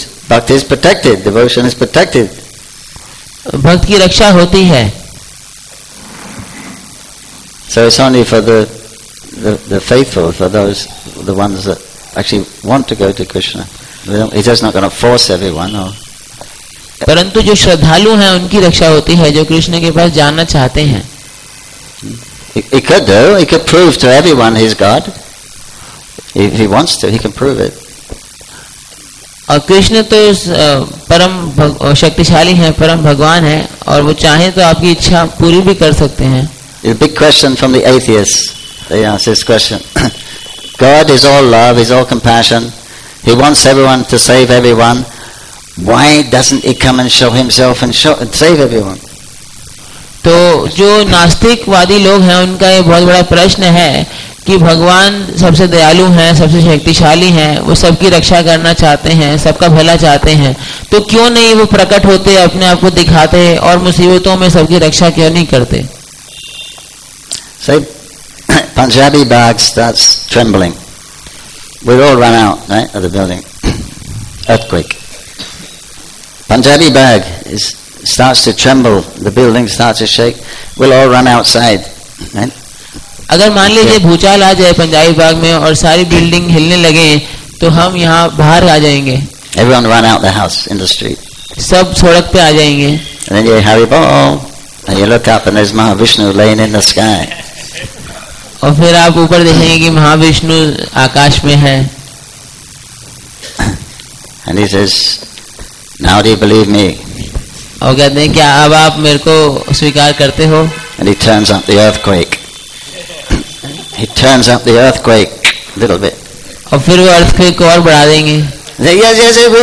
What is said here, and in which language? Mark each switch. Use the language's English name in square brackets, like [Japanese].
[English] Bhakti is protected, devotion is protected. [Hindi] भक्त की रक्षा होती है [English] So it's only for the faithful, for those, the ones that actually want to go to Krishna. He's just not going to force everyone. Or [Hindi] परंतु जो श्रद्धालु हैं उनकी रक्षा होती है जो कृष्ण के पास जाना चाहते हैं [English] He could do, he could prove to everyone he's God. If he wants to, he can prove it. [Hindi] और कृष्ण तो परम शक्तिशाली हैं, परम भगवान हैं और वो चाहे तो आपकी इच्छा पूरी भी कर सकते हैं [English] A big question from the atheists. They ask this question. God is all love, he's all compassion. He wants everyone to save everyone. Why doesn't he come and show himself and save everyone? [Hindi] तो जो नास्तिकवादी लोग हैं उनका ये बहुत बड़ा प्रश्न है कि भगवान सबसे दयालु हैं सबसे शक्तिशाली हैं वो सबकी रक्षा करना चाहते हैं सबका भला चाहते हैं तो क्यों नहीं वो प्रकट होते अपने आप को दिखाते और मुसीबतों में सबकी रक्षा क्यों नहीं करते [English] Say, Punjabi bag starts trembling. We all run out, right, of the building. Earthquake. Punjabi bag starts to tremble. The building starts to shake. We'll all run outside, right? [Hindi] अगर मान लीजिए भूचाल आ जाए पंजाबी बाग में और सारी बिल्डिंग हिलने लगे तो हम यहाँ बाहर आ जाएंगे. [English] Everyone run out the house in the street. [Hindi] सब सड़क पे आ जाएंगे. [English] And then you hurry ball, and you look up and there's Mahavishnu laying in the sky. [Hindi] और फिर आप ऊपर देखेंगे कि महाविष्णु आकाश में है. [English] And he says, "Now do you believe me?" [Hindi] और कहते हैं क्या अब आप मेरे को स्वीकार करते हो? [English] And he turns up the earthquake. He turns up the earthquake a little bit. [Hindi] और फिर वो अर्थक्वेक को और बढ़ा देंगे.